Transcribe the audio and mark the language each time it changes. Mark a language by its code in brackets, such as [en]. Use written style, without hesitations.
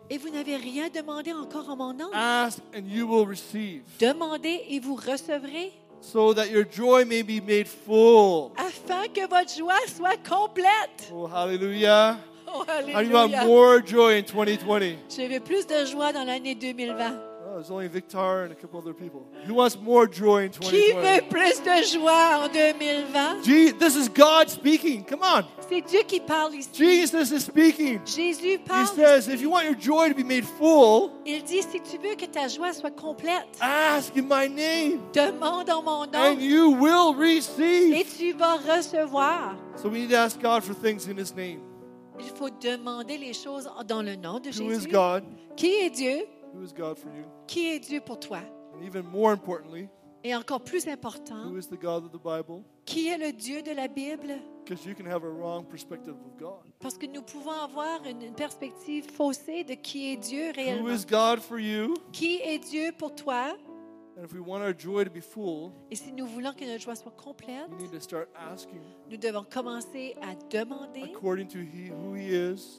[fr] Et vous n'avez rien demandé encore en mon nom. [en] Ask and you will receive. [fr] Demandez et vous recevrez. [en] So that your joy may be made full. [fr] Afin que votre joie soit complète. Oh, hallelujah. Oh, hallelujah. [en] And you want more joy in 2020. [fr] Je veux plus de joie dans l'année 2020. [en] There's only Victor and a couple other people. Who wants more joy in 2020? [fr] Qui veut plus de joie en 2020? [en] This is God speaking. Come on. [fr] C'est Dieu qui parle ici. [en] Jesus is speaking. [fr] Jésus parle. [en] He says, if you want your joy to be made full, [fr] il dit, si tu veux que ta joie soit complète, [en] ask in my name. [fr] Demande en mon nom. [en] And you will receive. [fr] Et tu vas recevoir. [en] So we need to ask God for things in his name. [fr] Il faut demander les choses dans le nom de Jésus. [en] Who is God? [fr] Qui est Dieu? [en] Who is God for you? [fr] Qui est Dieu pour toi? [en] And even more importantly, [fr] Et encore plus important, [en] who is the God of the Bible? [fr] Qui est le Dieu de la Bible? [en] Because you can have a wrong perspective of God. [fr] Parce que nous pouvons avoir une perspective faussée de qui est Dieu réellement. [en] Who is God for you? [fr] Qui est Dieu pour toi? [en] And if we want our joy to be full, [fr] et si nous voulons que notre joie soit complète, [en] we need to start asking, [fr] nous devons commencer à demander, [en] according to he, who he is,